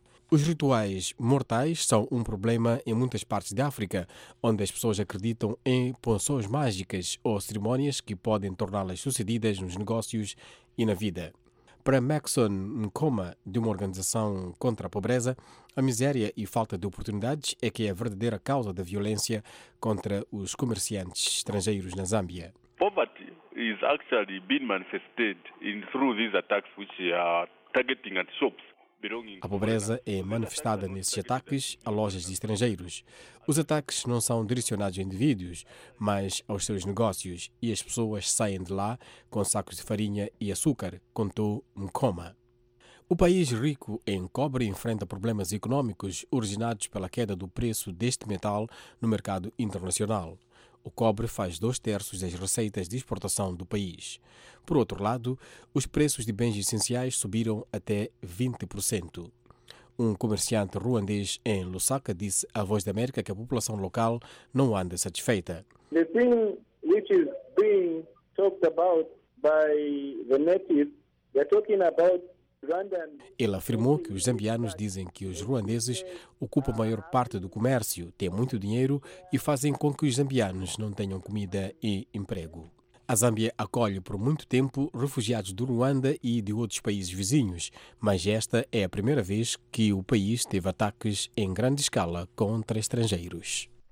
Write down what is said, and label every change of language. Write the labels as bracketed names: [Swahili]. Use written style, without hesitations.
[Portuguese] Os rituais mortais são um problema em muitas partes de África, onde as pessoas acreditam em poções mágicas ou cerimónias que podem torná-las sucedidas nos negócios e na vida. Para Maxon Nkoma, de uma organização contra a pobreza, a miséria e falta de oportunidades é que é a verdadeira causa da violência contra os comerciantes estrangeiros na Zâmbia. [English] Poverty is actually being manifested in through these attacks which are targeting at shops. [Portuguese] A pobreza é manifestada nesses ataques a lojas de estrangeiros. Os ataques não são direcionados a indivíduos, mas aos seus negócios, e as pessoas saem de lá com sacos de farinha e açúcar, contou Nkoma. O país rico em cobre enfrenta problemas económicos originados pela queda do preço deste metal no mercado internacional. O cobre faz 2/3 das receitas de exportação do país. Por outro lado, os preços de bens essenciais subiram até 20%. Um comerciante ruandês em Lusaka disse à Voz da América que a população local não anda satisfeita. [English] The thing which is being talked about by the natives, they're talking about Rwandan. [Portuguese] Ele afirmou que os zambianos dizem que os ruandeses ocupam a maior parte do comércio, têm muito dinheiro e fazem com que os zambianos não tenham comida e emprego. A Zâmbia acolhe por muito tempo refugiados do Ruanda e de outros países vizinhos, mas esta é a primeira vez que o país teve ataques em grande escala contra estrangeiros.